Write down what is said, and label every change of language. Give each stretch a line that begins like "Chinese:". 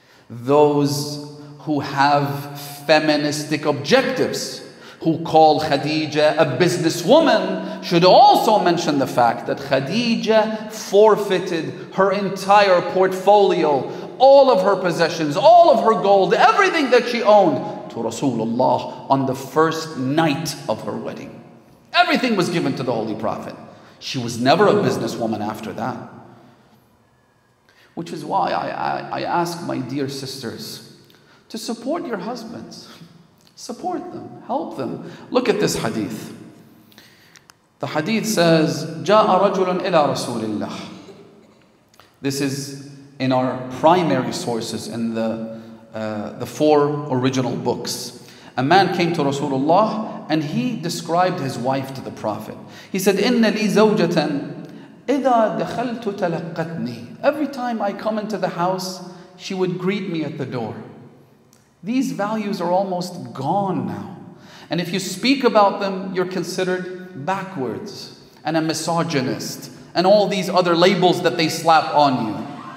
English: Those who have feministic objectives, who call Khadija a businesswoman, should also mention the fact that Khadija forfeited her entire portfolio, all of her possessions, all of her gold, everything that she owned to Rasulullah on the first night of her wedding. Everything was given to the Holy Prophet. She was never a businesswoman after that. Which is why I ask my dear sisters to support your husbands. Support them. Help them. Look at this hadith. The hadith says,
Arabic: جَاءَ رَجُلٌ إِلَىٰ رَسُولِ اللَّهِ.
English: This is in our primary sources, in the four original books. A man came to Rasulullah and he described his wife to the Prophet. He said,
Arabic: إِنَّ لِي زَوْجَةً إِذَا دَخَلْتُ تَلَقَّتْنِي.
English: Every time I come into the house, she would greet me at the door. These values are almost gone now. And if you speak about them, you're considered backwards and a misogynist and all these other labels that they slap on you.